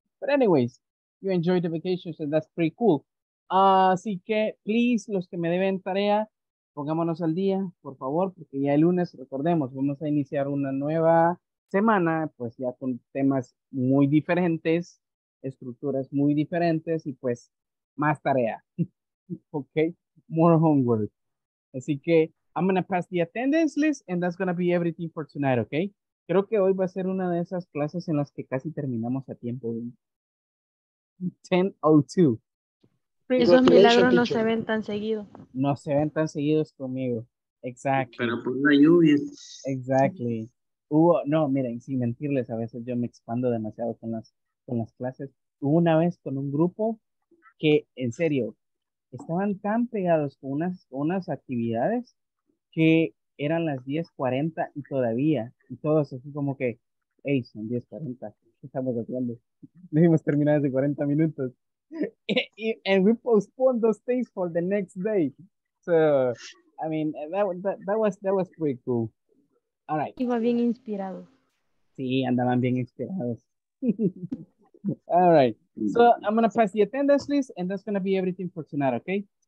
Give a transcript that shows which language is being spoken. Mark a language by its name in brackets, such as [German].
[English] But anyways, you enjoyed the vacations, and that's pretty cool. [Spanish] Así que, please, los que me deben tarea, pongámonos al día, por favor, porque ya el lunes, recordemos, vamos a iniciar una nueva semana, pues ya con temas muy diferentes, estructuras muy diferentes, y pues, más tarea. [English] Ok, more homework. [Spanish] Así que, [English] I'm going to pass the attendance list and that's going to be everything for tonight, okay? [Spanish] Creo que hoy va a ser una de esas clases en las que casi terminamos a tiempo. 10:02. Esos milagros no se ven tan seguido. No se ven tan seguidos conmigo. Exacto. Pero por la lluvia. [English] Exactly. [Spanish] Hubo, no, miren, sin mentirles, a veces yo me expando demasiado con las clases. Hubo una vez con un grupo que, en serio, estaban tan pegados con unas actividades que eran las 10:40 y todavía, y todos así como que, hey, son 10:40, ¿qué estamos haciendo? Debimos terminar hace 40 minutos. [English] And we postponed those things for the next day. So, I mean, that was pretty cool. All right. [Spanish] Iba bien inspirado. Sí, andaban bien inspirados. [English] All right. So, I'm going to pass the attendance list, and that's going to be everything for tonight, okay?